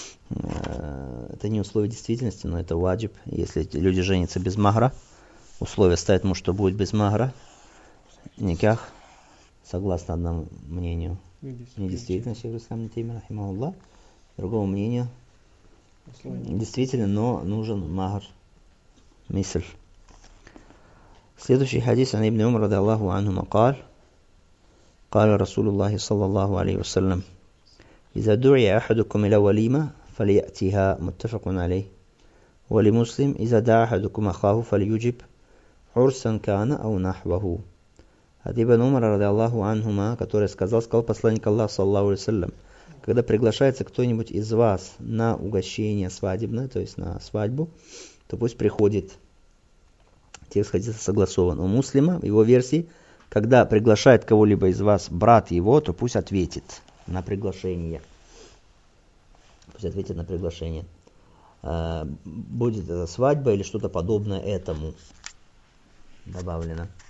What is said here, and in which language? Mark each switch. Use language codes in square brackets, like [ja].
[ru] Это не условие действительности, но это ваджиб. Если люди женятся без махра, условие ставит муж, что будет без махра, никах, согласно одному мнению, недействительно, шейх Ислам ибн Таймия рахимахуллах, другому мнению, действительно, но нужен махр, мисль. [ar] Следующий хадис عن ابن عمر رضي الله عنهما قال قال رسول الله صلى الله عليه وسلم إذا دعي أحدكم إلى وليمة فليأتيها متفق عليه ولمسلم إذا دعا أحدكم أخاه فليجب عرسا كان أو نحوه هذا ابن عمر رضي الله عنهما который сказал посланник Аллаха صلى الله عليه وسلم когда приглашается кто-нибудь из вас на угощение свадебное, то есть на свадьбу, то пусть приходит. [ru] Текст хадиса согласован у муслима, в его версии, когда приглашает кого-либо из вас брат его, то пусть ответит на приглашение. Пусть ответит на приглашение. Будет это свадьба или что-то подобное этому добавлено.